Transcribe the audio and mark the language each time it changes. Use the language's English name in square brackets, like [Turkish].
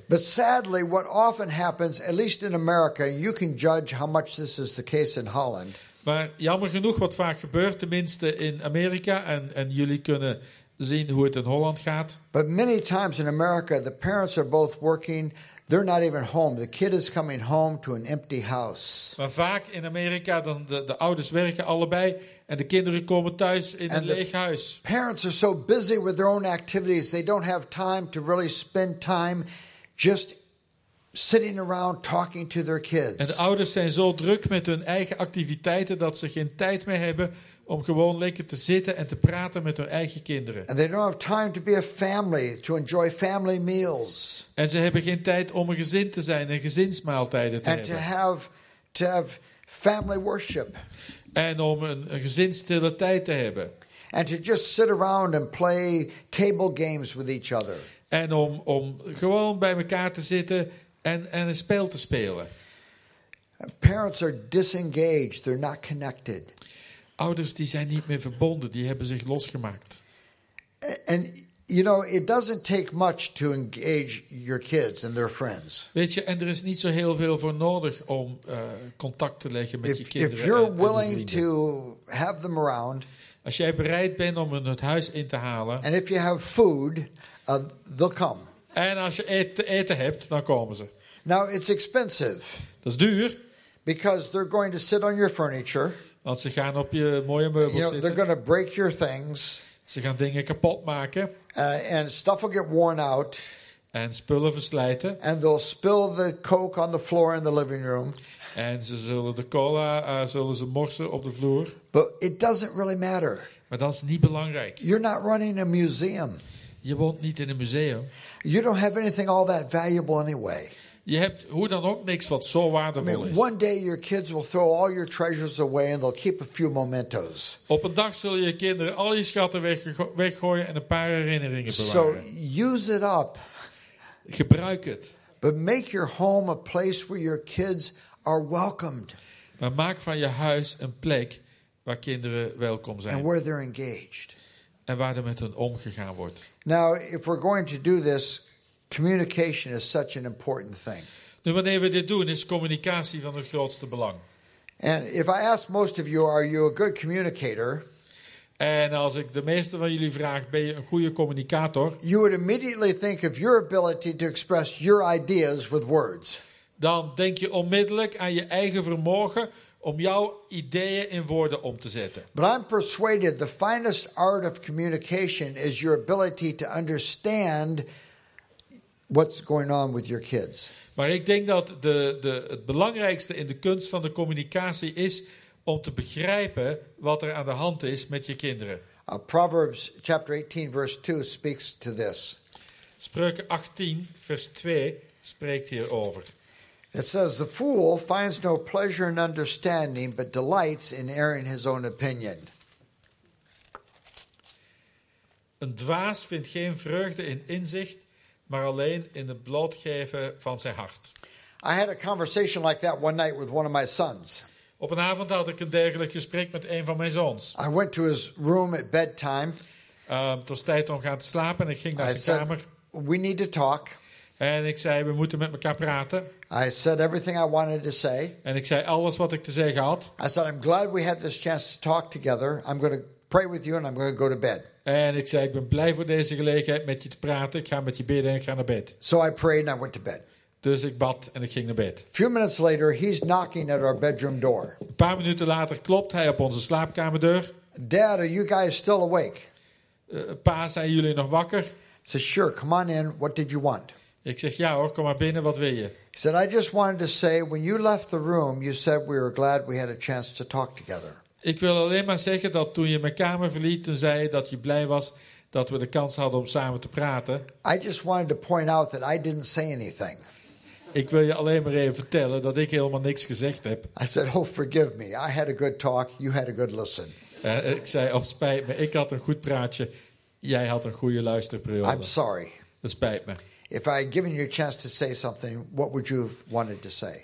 [English] But sadly, what often happens, at least in America, you can judge how much this is the case in Holland. [Dutch] Maar jammer genoeg, wat vaak gebeurt, tenminste in Amerika, en jullie kunnen zien hoe het in Holland gaat. [English] But many times in America, the parents are both working. They're not even home. The kid is coming home to an empty house. [Dutch] Maar vaak in Amerika dan de ouders werken allebei en de kinderen komen thuis in een leeg huis. [English] Parents are so busy with their own activities, they don't have time to really spend time just sitting around talking to their kids. [Dutch] En de ouders zijn zo druk met hun eigen activiteiten dat ze geen tijd meer hebben om gewoon lekker te zitten en te praten met hun eigen kinderen. [English] And they don't have time to be a family, to enjoy family meals. [Dutch] En ze hebben geen tijd om een gezin te zijn en gezinsmaaltijden te [English] and [Dutch] hebben. [English] To have family worship. [Dutch] En om een gezinsstille tijd te hebben. [English] And to just sit around and play table games with each other. [Dutch] En om gewoon bij elkaar te zitten en een spel te spelen. [English] Parents are disengaged, they're not connected. [Dutch] Ouders die zijn niet meer verbonden, die hebben zich losgemaakt. [English] And you know, it doesn't take much to engage your kids and their friends. [Dutch] Weet je, en er is niet zo heel veel voor nodig om contact te leggen met je kinderen. [English] If you're willing [Dutch] en vrienden. [English] To have them around, [Dutch] als jij bereid bent om hun het huis in te halen. [English] And if you have food, they'll come. [Dutch] En als je eten hebt, dan komen ze. [English] Now it's expensive. [Dutch] Dat is duur. [English] Because they're going to sit on your furniture. [Dutch] Want ze gaan op je mooie meubels zitten. [English] You know, they're going to break your things. [Dutch] Ze gaan dingen kapot maken. [English] And stuff will get worn out. [Dutch] En spullen verslijten. [English] And they'll spill the coke on the floor in the living room. [Dutch] En ze zullen de cola zullen ze morsen op de vloer. [English] But it doesn't really matter. [Dutch] Maar dat is niet belangrijk. [English] You're not running a museum. [Dutch] Je woont niet in een museum. [English] You don't have anything all that valuable anyway. [Dutch] Je hebt hoe dan ook niks wat zo waardevol is. [English] One day your kids will throw all your treasures away and they'll keep a few mementos. [Dutch] Op een dag zullen je kinderen al je schatten weggooien en een paar herinneringen bewaren. [English] So use it up. [Dutch] Gebruik het. [English] But make your home a place where your kids are welcomed. [Dutch] Maar maak van je huis een plek waar kinderen welkom zijn. [English] And where they're engaged. [Dutch] En waar er met hen omgegaan wordt. [English] Now if we're going to do this, communication is such an important thing. [Dutch] Nu wanneer we dit doen, is communicatie van het grootste belang. [English] And if I ask most of you, are you a good communicator? [Dutch] En als ik de meeste van jullie vraag, ben je een goede communicator? [English] You would immediately think of your ability to express your ideas with words. [Dutch] Dan denk je onmiddellijk aan je eigen vermogen om jouw ideeën in woorden om te zetten. [English] But I'm persuaded the finest art of communication is your ability to understand what's going on with your kids. [Dutch] Maar ik denk dat het belangrijkste in de kunst van de communicatie is om te begrijpen wat er aan de hand is met je kinderen. [English] Proverbs chapter 18 verse 2 speaks to this. [Dutch] Spreuken 18 vers 2 spreekt hierover. [English] It says the fool finds no pleasure in understanding but delights in airing his own opinion. [Dutch] Een dwaas vindt geen vreugde in inzicht, maar alleen in het blootgeven van zijn hart. [English] I had a conversation like that one night with one of my sons. [Dutch] Op een avond had ik een dergelijk gesprek met een van mijn zoons. [English] I went to his room at bedtime. [Dutch] Het was tijd om gaan te slapen en ik ging naar zijn kamer. [English] We need to talk. [Dutch] En ik zei, we moeten met elkaar praten. [English] I said everything I wanted to say. [Dutch] En ik zei alles wat ik te zeggen had. [English] I said, I'm glad we had this chance to talk together. I'm going to pray with you and I'm going to go to bed. [Dutch] En ik zei, ik ben blij voor deze gelegenheid met je te praten. Ik ga met je bidden en ik ga naar bed. [English] So I prayed and I went to bed. [Dutch] Dus ik bad en ik ging naar bed. [English] Few minutes later, he's knocking at our bedroom door. [Dutch] Een paar minuten later klopt hij op onze slaapkamerdeur. [English] Dad, are you guys still awake? [Dutch] Pa, zijn jullie nog wakker? [English] He said, sure, come on in. What did you want? [Dutch] Ik zeg, ja hoor, kom maar binnen. Wat wil je? [English] He said, I just wanted to say, when you left the room, you said we were glad we had a chance to talk together. [Dutch] Ik wil alleen maar zeggen dat toen je mijn kamer verliet, toen zei je dat je blij was dat we de kans hadden om samen te praten. [English] I just wanted to point out that I didn't say anything. [Dutch] Ik wil je alleen maar even vertellen dat ik helemaal niks gezegd heb. [English] I said, oh, forgive me. I had a good talk. You had a good listen. [Dutch] Ik zei, oh, spijt me. Ik had een goed praatje. Jij had een goede luisterperiode. [English] I'm sorry. [Dutch] Dat spijt me. [English] If I had given you a chance to say something, what would you have wanted to say?